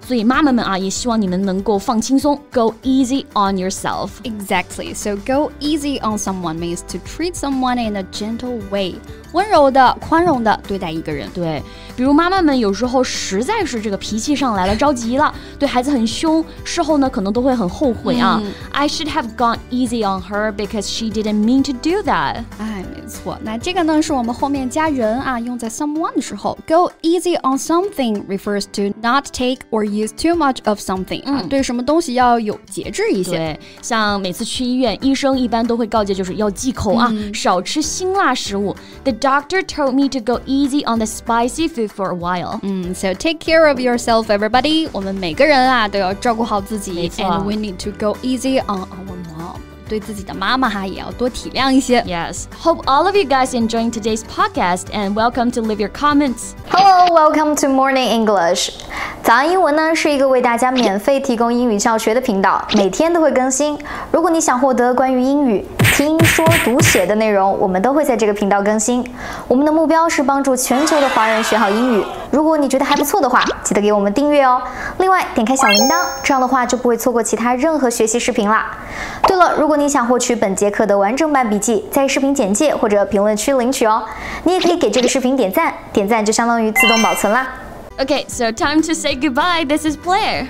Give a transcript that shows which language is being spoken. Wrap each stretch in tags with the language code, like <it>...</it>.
<zh>所以妈妈们啊，也希望你们能够放轻松</zh> <en>Go easy on yourself. Exactly. So go easy on someone means to treat someone in a gentle way.</en> <zh>温柔的宽容的对待一个人。对，比如妈妈们有时候实在是这个脾气上来了，着急了，对孩子很凶，事后呢可能都会很后悔啊。</zh> <en>I should have gone easy on her because she didn't mean to do that.</en> <zh>哎，没错。那这个呢是我们后面加人啊，用在 someone 的时候。</zh> <en>Go easy on something refers to not take or use too much of something.</en> <zh>对什么东西要有节制一些。对，像每次去医院，医生一般都会告诫就是要忌口啊，少吃辛辣食物。</zh> <en>The doctor told me to go easy on the spicy food for a while. So take care of yourself, everybody.</en> <zh>我们每个人啊都要照顾好自己。没错。</zh> <en>And we need to go easy on our mom.</en> <zh>对自己的妈妈哈也要多体谅一些。</zh> <en>Yes. Hope all of you guys enjoying today's podcast and welcome to leave your comments. Hello, welcome to Morning English.</en> <zh>早安英文呢是一个为大家免费提供英语教学的频道，每天都会更新。如果你想获得关于英语听说读写的内容，我们都会在这个频道更新。我们的目标是帮助全球的华人学好英语。如果你觉得还不错的话，记得给我们订阅哦。另外，点开小铃铛，这样的话就不会错过其他任何学习视频啦。对了，如果你想获取本节课的完整版笔记，在视频简介或者评论区领取哦。你也可以给这个视频点赞，点赞就相当于自动保存啦。</zh> <en>Okay, so time to say goodbye. This is Blair.</en>